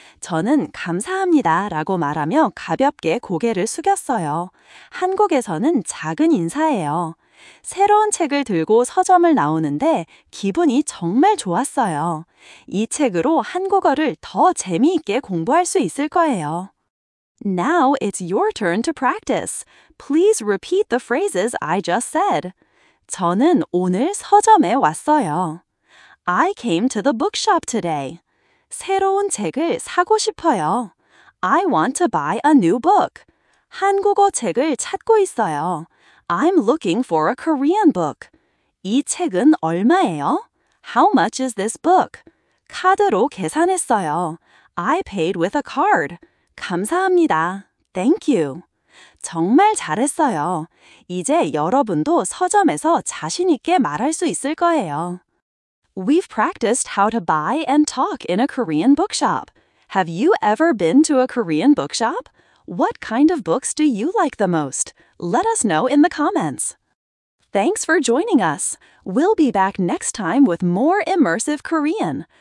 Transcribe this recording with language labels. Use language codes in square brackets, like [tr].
[ko] 저는 감사합니다 라고 말하며 가볍게 고개를 숙였어요. 한국에서는 작은 인사예요. 새로운 책을 들고 서점을 나오는데 기분이 정말 좋았어요. 이 책으로 한국어를 더 재미있게 공부할 수 있을 거예요. [en] Now it's your turn to practice. Please repeat the phrases I just said. [ko] 저는 오늘 서점에 왔어요. [en] I came to the bookshop today. [ko] 새로운 책을 사고 싶어요. [en] I want to buy a new book. [ko] 한국어 책을 찾고 있어요. [en] I'm looking for a Korean book. [ko] 이 책은 얼마예요? [en] How much is this book? [ko] 카드로 계산했어요. [en] I paid with a card. [ko] 감사합니다. [en] Thank you. [ko] 정말 잘했어요. 이제 여러분도 서점에서 자신 있게 말할 수 있을 거예요. [en] We've practiced how to buy and talk in a Korean bookshop. Have you ever been to a Korean bookshop? What kind of books do you like the most? Let us know in the comments. Thanks for joining us. We'll be back next time with more immersive Korean.